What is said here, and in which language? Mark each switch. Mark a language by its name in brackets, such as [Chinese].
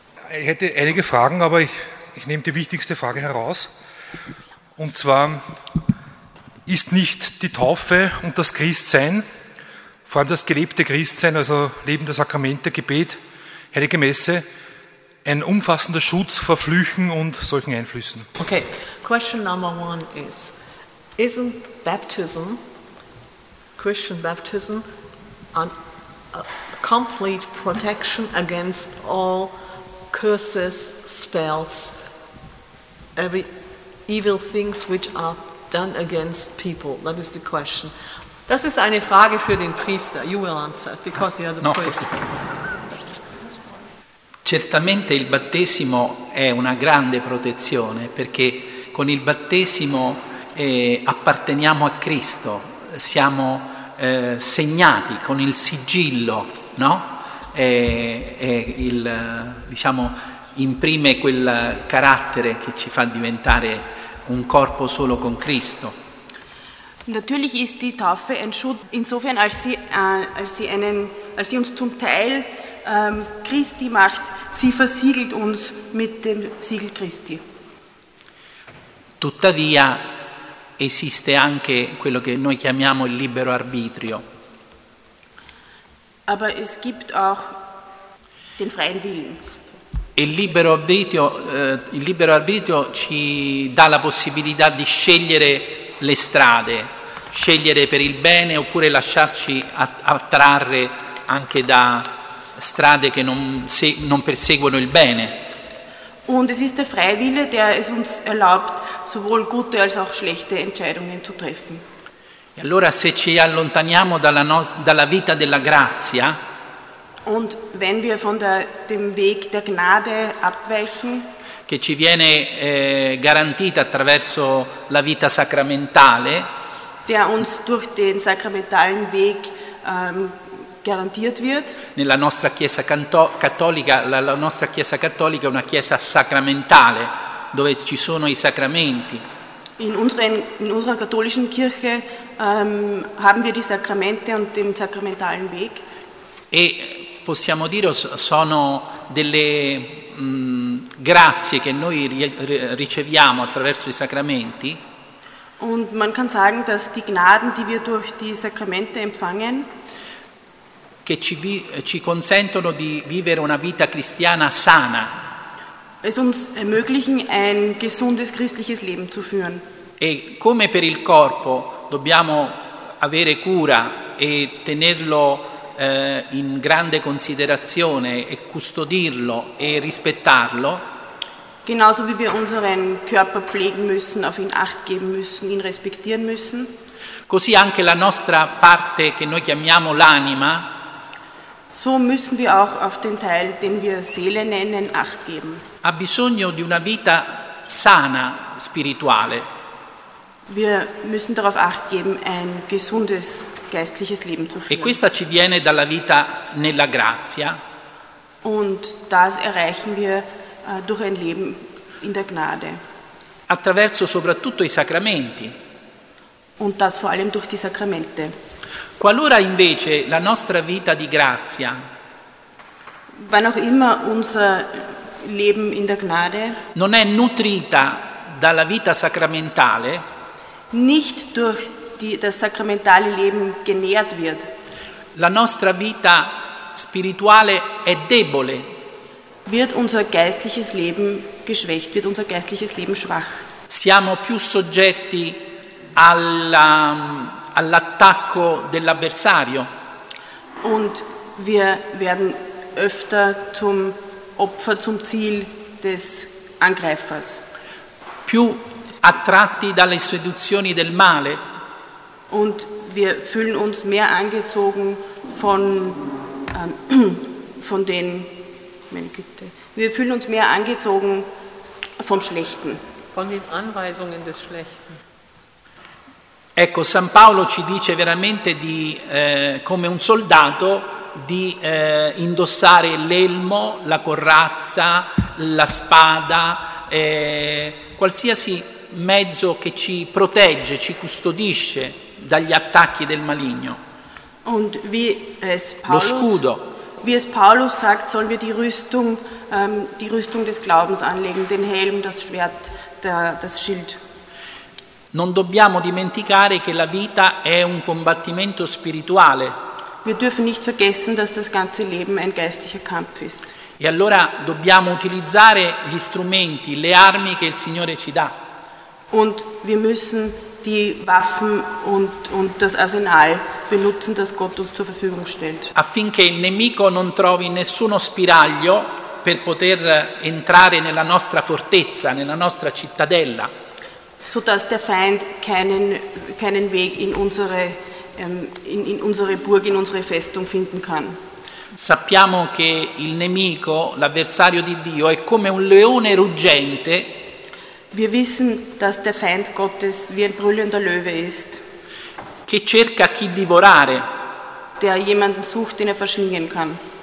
[German] Ich hätte einige Fragen, aber ich nehme die wichtigste Frage heraus. Und zwar, ist nicht die Taufe und das Christsein, vor allem das gelebte Christsein, also Leben der Sakramente, Gebet, Heilige Messe, ein umfassender Schutz vor Flüchen und solchen Einflüssen? [English] Okay, question number one is, isn't baptism, Christian baptism, a complete protection against all curses, spells, every evil things which are done against people? That is the question. [German] Das ist eine Frage für den Priester. [English] You will answer, because you are the priest. [Italian] Certamente il battesimo è una grande protezione, perché con il battesimo apparteniamo a Cristo, siamo segnati con il sigillo, no? Diciamo, imprime quel carattere che ci fa diventare un corpo solo con Cristo. [German] Natürlich ist die Taufe ein Schutz insofern, als sie uns zum Teil Christi macht. Sie versiegelt uns mit dem Siegel Christi. [Italian] Tuttavia esiste anche quello che noi chiamiamo il libero arbitrio. [German] Aber es gibt auch den freien Willen. [Italian] Il libero arbitrio ci dà la possibilità di scegliere le strade, scegliere per il bene oppure lasciarci attrarre anche da strade che non perseguono il bene. [German] Und es ist der freie Wille, der es uns erlaubt, sowohl gute als auch schlechte Entscheidungen zu treffen. [Italian] E allora se ci allontaniamo dalla vita della grazia, [German] und wenn wir von dem Weg der Gnade abweichen, [Italian] che ci viene garantita attraverso la vita sacramentale, [German] der uns durch den sakramentalen Weg garantiert wird. [Italian] Nella nostra chiesa cattolica, la nostra chiesa cattolica è una chiesa sacramentale, dove ci sono i sacramenti. [German] In unserer katholischen Kirche haben wir die Sakramente und den sakramentalen Weg. [Italian] E possiamo dire sono delle grazie che noi riceviamo attraverso i sacramenti. [German] Und man kann sagen, dass die Gnaden, die wir durch die Sakramente empfangen, [Italian] che ci consentono di vivere una vita cristiana sana. [German] Es uns ermöglichen, ein gesundes christliches Leben zu führen. [Italian] E come per il corpo, dobbiamo avere cura e tenerlo in grande considerazione e custodirlo e rispettarlo. [German] Genauso wie wir unseren Körper pflegen müssen, auf ihn acht geben müssen, ihn respektieren müssen. [Italian] Così anche la nostra parte che noi chiamiamo l'anima. [German] So müssen wir auch auf den Teil, den wir Seele nennen, acht geben. [Italian] Ha bisogno di una vita sana spirituale. [German] Wir müssen darauf acht geben, ein gesundes geistliches Leben zu führen. [Italian] E questa ci viene dalla vita nella grazia. [German] Und das erreichen wir durch ein Leben in der Gnade. [Italian] Attraverso soprattutto i sacramenti. [German] Und das vor allem durch die Sakramente. [Italian] Qualora invece la nostra vita di grazia, [German] wann auch immer unser Leben in der Gnade, [Italian] non è nutrita dalla vita sacramentale, [German] nicht durch das sacramentale Leben genährt wird, [Italian] la nostra vita spirituale è debole, [German] wird unser geistliches Leben geschwächt, wird unser geistliches Leben schwach. [Italian] Siamo più soggetti all'attacco dell'avversario. [German] Und wir werden öfter zum Opfer, zum Ziel des Angreifers. [Italian] Più attratti dalle seduzioni del male. [German] Und wir fühlen uns mehr angezogen von den, meine Güte, wir fühlen uns mehr angezogen vom Schlechten. Von den Anweisungen des Schlechten. [Italian] Ecco, San Paolo ci dice veramente di, come un soldato, di indossare l'elmo, la corazza, la spada, qualsiasi mezzo che ci protegge, ci custodisce dagli attacchi del maligno. [German] Und wie es Paolo, [Italian] lo scudo. [German] Wie es Paolo sagt, sollen wir die Rüstung des Glaubens anlegen, den Helm, das Schwert, das Schild. [Italian] Non dobbiamo dimenticare che la vita è un combattimento spirituale. [German] Wir dürfen nicht vergessen, dass das ganze Leben ein geistlicher Kampf ist. [Italian] E allora dobbiamo utilizzare gli strumenti, le armi che il Signore ci dà. [German] Und wir müssen die Waffen und das Arsenal benutzen, das Gott uns zur Verfügung stellt. [Italian] Affinché il nemico non trovi nessuno spiraglio per poter entrare nella nostra fortezza, nella nostra cittadella. [German] So dass der Feind keinen Weg in unsere Burg, in unsere Festung finden kann. [Italian] Sappiamo che il nemico, l'avversario di Dio, è come un leone ruggente. [German] Wir wissen, dass der Feind Gottes wie ein brüllender Löwe ist. [Italian] Che cerca chi divorare. [German] Der jemanden sucht, den er verschlingen kann.